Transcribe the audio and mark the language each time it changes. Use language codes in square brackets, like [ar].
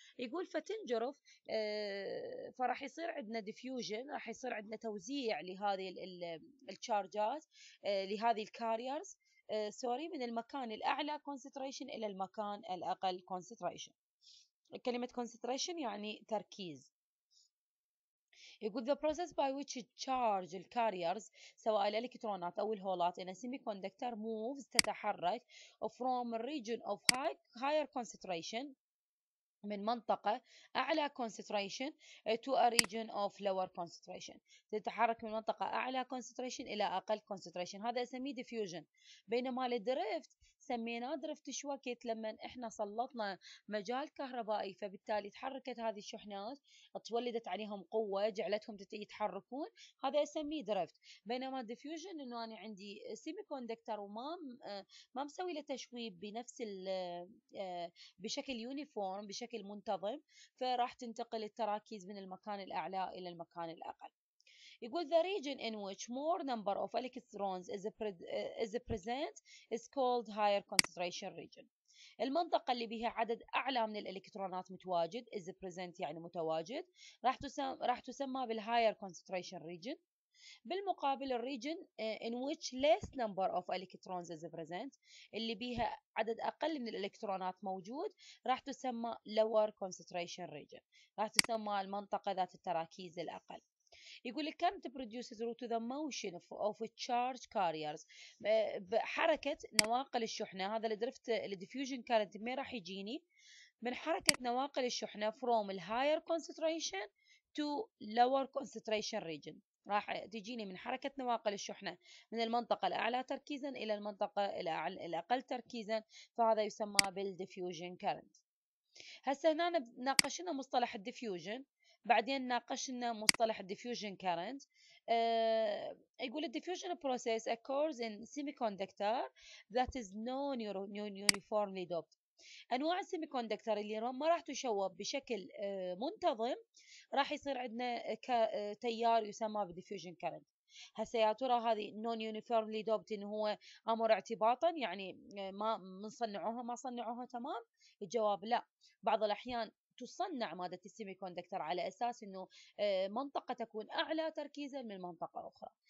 [ar] يقول فتنجرف فراح يصير عندنا ديفيوجن، راح يصير عندنا توزيع لهذه الشارجات لهذه الكاريرز سوري من المكان الاعلى كونسنتريشن الى المكان الاقل كونسنتريشن. كلمة كونسنتريشن يعني تركيز. [en] يقول the process by which charge the carriers سواء الالكترونات او الهولات in a semiconductor moves تتحرك from a region of higher concentration من منطقة أعلى concentration to a region of lower concentration، تتحرك من منطقة أعلى concentration إلى أقل concentration، هذا أسميه diffusion. [ar] بينما الدريفت سميناه درفت شوكت لما إحنا سلطنا مجال كهربائي، فبالتالي تحركت هذه الشحنات تولدت عليهم قوة جعلتهم يتحركون، هذا أسميه درفت. بينما diffusion إنه أنا عندي سيمي كوندكتر وما مسوي لتشويب بنفس بشكل uniform بشكل منتظم، فراح تنتقل التراكيز من المكان الأعلى إلى المكان الأقل. [en] يقول the region in which more number of electrons is present is called higher concentration region. [ar] المنطقة اللي بها عدد أعلى من الإلكترونات متواجد is present يعني متواجد، راح تسمى بال higher concentration region. بالمقابل الريجن in which less number of electrons is present اللي بيها عدد أقل من الإلكترونات موجود راح تسمى lower concentration region، راح تسمى المنطقة ذات التراكيز الأقل. يقول لك كم تبروديوس ثرو تو ذا موشن اوف تشارج كاريرز، بحركه نواقل الشحنه، هذا اللي درفت الديفيوجن كارنت ما راح يجيني، من حركه نواقل الشحنه فروم الهاير كونسنتريشن تو لور كونسنتريشن ريجن، راح تجيني من حركه نواقل الشحنه من المنطقه الاعلى تركيزا الى المنطقه الاقل تركيزا، فهذا يسمى بالديفيوجن كارنت. هسه هنا ناقشنا مصطلح الديفيوجن، بعدين ناقشنا مصطلح الديفيوجن كارنت. [en] يقول الديفيوجن process occurs in semiconductor that is non-uniformly doped. [ar] أنواع السيميكوندكتر اللي ما راح تشوب بشكل منتظم راح يصير عندنا تيار يسمى بديفيوجن كارنت. هسه يا ترى هذه نون يونيفورملي دوبت ان هو امر اعتباطا، يعني ما من صنعوها ما صنعوها تمام؟ الجواب لا، بعض الاحيان تصنع مادة السيمي كوندكتر على اساس انه منطقة تكون اعلى تركيزا من منطقة اخرى.